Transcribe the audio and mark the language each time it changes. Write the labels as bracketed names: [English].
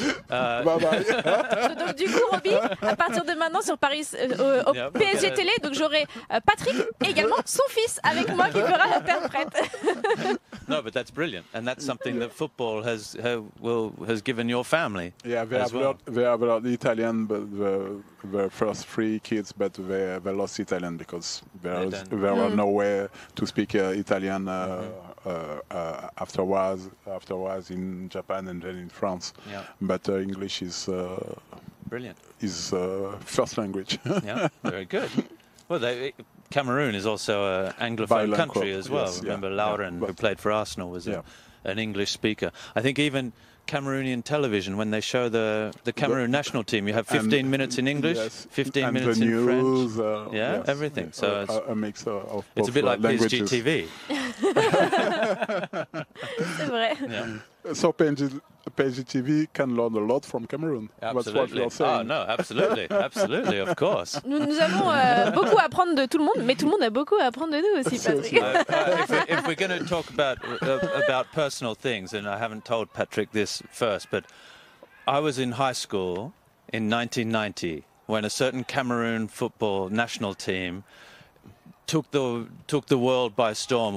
[French] Donc du coup, Roby, à partir de maintenant sur Paris au PSG Télé, donc j'aurai Patrick et également son fils avec moi qui fera l'interprète. [English] No, but that's brilliant, and that's something that football has given your family. Yeah, they have learned Italian, but the first 3 kids, but they lost Italian because there was no way to speak Italian afterwards in Japan and then in France. Yeah. But English is brilliant. Is first language. Yeah, very good. Well, Cameroon is also an Anglophone Bilingual country as well. Yes, remember, yeah, Lauren, who played for Arsenal, was an English speaker. I think even Cameroonian television, when they show the Cameroon national team, you have 15 minutes in English, 15 minutes news, in French. Yes, everything. Yes. So it's a mix of both. It's a bit like PSG TV. So PSG TV can learn a lot from Cameroon. Absolutely. That's what you're saying. Oh no, absolutely. Absolutely, of course. [French] Nous avons beaucoup à apprendre de tout le monde, mais tout le monde a beaucoup à apprendre de nous aussi, Patrick. [English] If we're going to talk about personal things, and I haven't told Patrick this first, but I was in high school in 1990 when a certain Cameroon football national team took the world by storm.